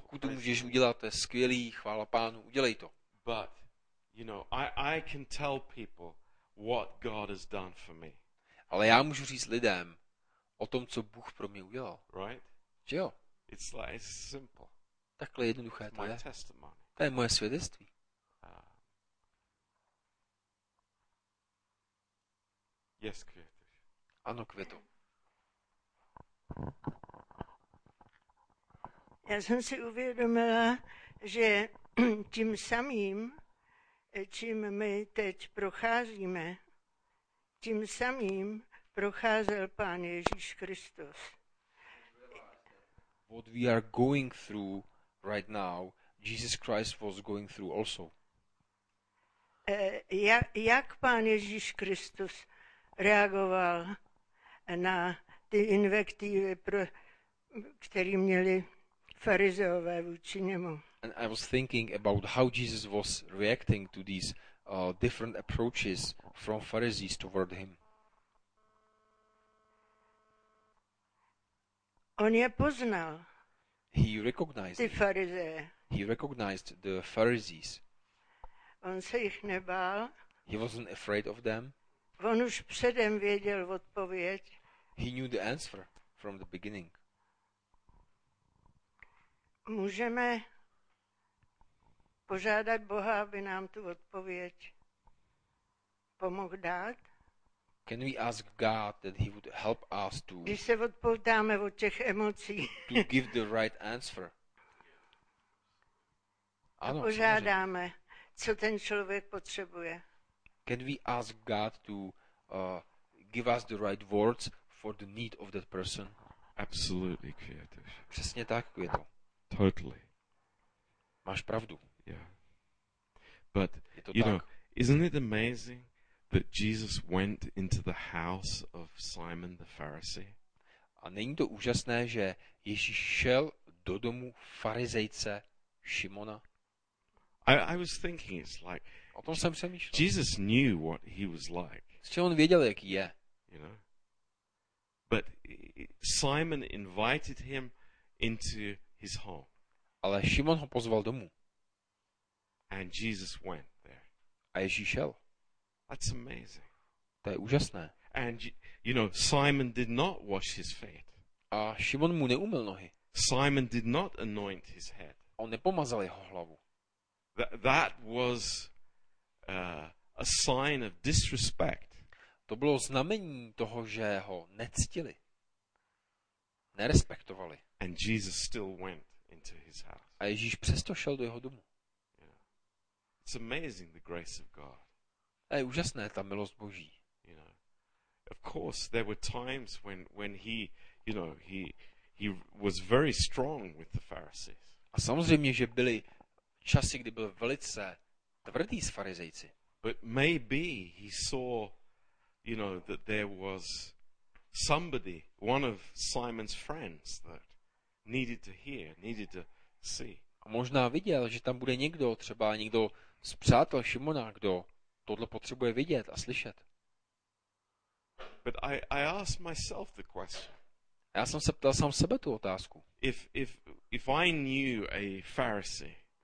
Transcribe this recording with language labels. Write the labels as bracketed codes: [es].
[cs] Pokud to můžeš udělat, to je skvělý, chvála Pánu, udělej to. [en] But, you know, I can tell people what God has done for me. [cs] Ale já můžu říct lidem o tom, co Bůh pro mě udělal. [en] Right? [cs] Že jo? [en] It's like, it's simple. [cs] Takhle jednoduché to je. [en] Testimony. [cs] To je moje svědectví. [en] Yes, Květu. [cs] Ano, Květu. Já jsem si uvědomila, že tím samým, čím my teď procházíme, tím samým procházel Pán Ježíš Kristus. [en] What we are going through right now, Jesus Christ was going through also. [cs] Jak Pán Ježíš Kristus reagoval na ty invektivy, které měli farizeové vůči němu? [en] And I was thinking about how Jesus was reacting to these different approaches from Pharisees toward him. [cs] On je poznal. [en] He recognized [cs] ty farizeje. [en] He recognized the Pharisees. [cs] On se jich nebál. [en] He wasn't afraid of them. [cs] On už předem věděl odpověď. [en] He knew the answer from the beginning. [cs] Můžeme požádat Boha, aby nám tu odpověď pomohl dát? [en] Can we ask God that he would help us to [cs] když se odpoutáme od těch emocí [en] to give the right answer. [cs] Ano, a požádáme, co ten člověk potřebuje. [en] Can we ask God to give us the right words for the need of that person? Absolutely, Květuš. [cs] Přesně tak, Květo. [en] Totally. [cs] Máš pravdu. [en] Yeah. But you [cs] tak. [en] Know, isn't it amazing that Jesus went into the house of Simon the Pharisee. [cs] A není to úžasné, že Ježíš šel do domu farizejce Šimona? [en] I was thinking it's like [cs] o tom jsem přemýšlel. [en] Jesus knew what he was like. [cs] Že on věděl, jaký je. [en] You know? But Simon invited him into his home. [cs] Ale Šimon ho pozval domů. [en] And Jesus went there. [cs] A Ježíš šel. [en] That's amazing. [cs] To je úžasné. [en] And you know, Simon did not wash his feet. [cs] A Šimon mu neumyl nohy. [en] Simon did not anoint his head. [cs] On nepomazal jeho hlavu. [en] That was a sign of disrespect. [cs] To bylo znamení toho, že ho nectili. Nerespektovali. [en] And Jesus still went into his house. [cs] A Ježíš přesto šel do jeho domu. [en] Yeah. It's amazing the grace of God. [cs] A je úžasné ta milost Boží. [en] You know, of course there were times when he, you know, he was very strong with the Pharisees. [cs] A samozřejmě, že byly časy, kdy byl velice tvrdý s farizejci. [en] But maybe he saw, you know, that there was somebody, one of Simon's friends that needed to hear, needed to see. [cs] A možná viděl, že tam bude někdo, třeba někdo z přátel Šimona, kdo tohle potřebuje vidět a slyšet. [en] But I asked myself the question. [cs] Já jsem se ptal sám sebe tu otázku. [en] If I knew a Pharisee,